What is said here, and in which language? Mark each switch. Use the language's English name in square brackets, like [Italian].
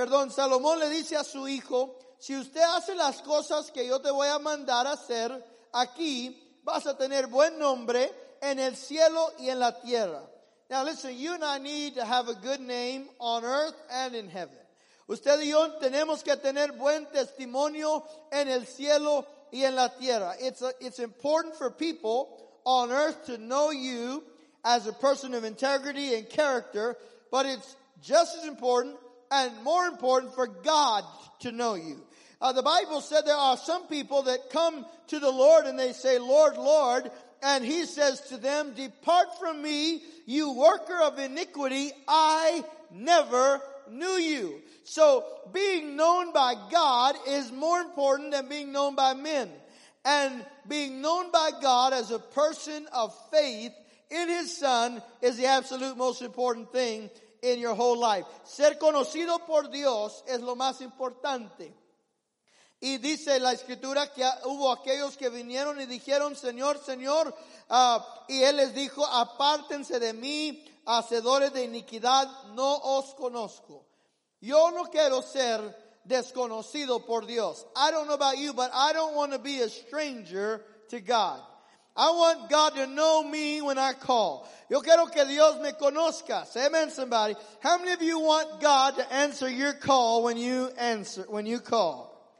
[Spanish] Salomón le dice a su hijo, si usted hace las cosas que yo te voy a mandar a hacer aquí, vas a tener buen nombre en el cielo y en la tierra. [English] Now listen, you and I need to have a good name on earth and in heaven. [Spanish] Usted y yo tenemos que tener buen testimonio en el cielo y en la tierra. [English] It's important for people on earth to know you as a person of integrity and character, but it's just as important and more important for God to know you. The Bible said there are some people that come to the Lord and they say, Lord, Lord, and he says to them, depart from me, you worker of iniquity, I never knew you. So being known by God is more important than being known by men. And being known by God as a person of faith in his son is the absolute most important thing in your whole life. [Spanish] Ser conocido por Dios es lo más importante. Y dice la escritura que hubo aquellos que vinieron y dijeron, Señor, Señor, y él les dijo, apártense de mí, hacedores de iniquidad, no os conozco. Yo no quiero ser desconocido por Dios. [English] I don't know about you, but I don't want to be a stranger to God. I want God to know me when I call. [Spanish] Yo quiero que Dios me conozca. [English] Say amen, somebody. How many of you want God to answer your call when you call?